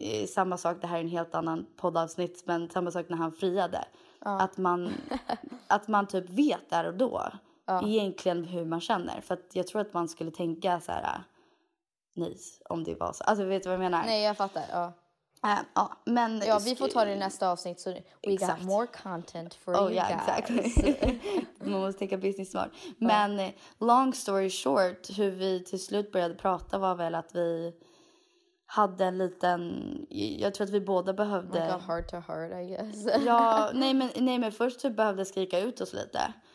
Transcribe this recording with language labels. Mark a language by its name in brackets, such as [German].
[Swedish] Samma sak, det här är en helt annan poddavsnitt, men samma sak när han friade. Ja. Att man typ vet där och då egentligen hur man känner. För att jag tror att man skulle tänka så här, nice, om det var så. Alltså, vet du vad jag menar? Nej, jag fattar, ja. Men ja, vi får ta det i nästa avsnitt. [English] Så we got more content for you guys. Exactly. [Swedish] Man måste tänka [English] business smart. [Swedish] Men [English] long story short, [Swedish] hur vi till slut började prata var väl att vi hade en liten... Jag tror att vi båda behövde... [English] Like a heart to heart, I guess. [Swedish] Ja, nej men först typ behövde skrika ut oss lite.